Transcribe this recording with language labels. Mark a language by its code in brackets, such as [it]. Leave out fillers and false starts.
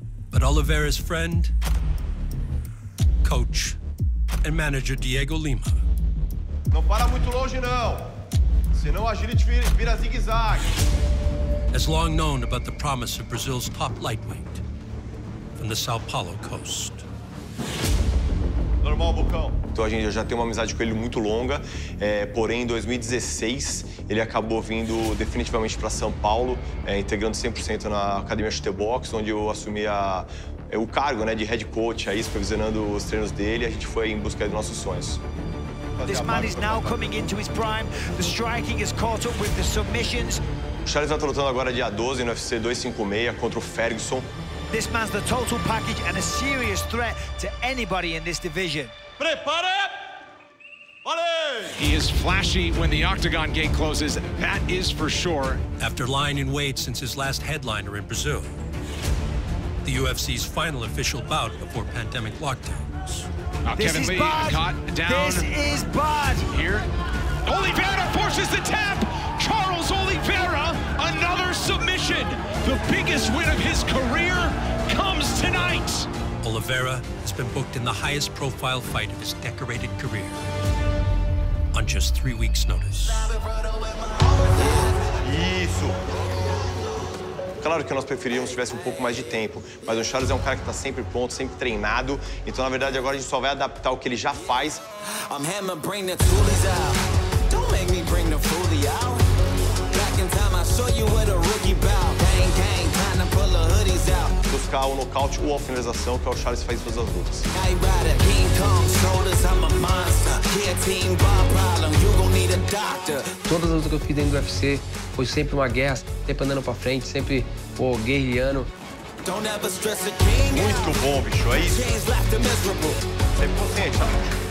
[en] But Oliveira's friend, coach, and manager Diego Lima. [pt] Não para muito longe, não. Senão a gente vira zigue-zague. [en] Has long known about the promise of Brazil's top lightweight from the Sao Paulo coast. [pt] Normal, Bucão. Então a gente já tem uma amizade com ele muito longa, porém em 2016 ele acabou vindo definitivamente para São Paulo, integrando 100% na Academia Chute Box, onde eu assumi o cargo, né, de head coach, aí supervisionando os treinos dele, e a gente foi em busca dos nossos sonhos. [en] This man is now coming into his prime. The striking has caught up with the submissions. [pt] O Charles está lutando agora dia 12 no UFC 256 contra o Ferguson. [en] This man's the total package and a serious threat to anybody in this division. [pt] Prepare! Vale! [en] He is flashy when the Octagon gate closes, that is for sure. After lying in wait since his last headliner in Brazil, the UFC's final official bout before pandemic lockdowns. Now Kevin Lee caught down. This is bad. Here, Oliveira forces the tap. Charles Oliveira, another submission. The biggest win of his career comes tonight. Oliveira has been booked in the highest profile fight of his decorated career on just 3 weeks' notice. [pt] Isso. Claro que nós preferíamos tivesse um pouco mais de tempo, mas o Charles é um cara que está sempre pronto, sempre treinado. Então, na verdade, agora a gente só vai adaptar o que ele já faz. [en] I'm hammer, bring the toolies out. Don't make me bring the foolie out. Time I show you what a rookie bout. Gang, gang, time to pull the hoodies out. Dos [pt] buscar o nocaute ou a finalização, que é o Charles faz em todas as lutas. Todas as lutas que eu fiz dentro do UFC foi sempre uma guerra, sempre andando pra frente, sempre guerreando. Muito bom, bicho, é isso? É potente, né?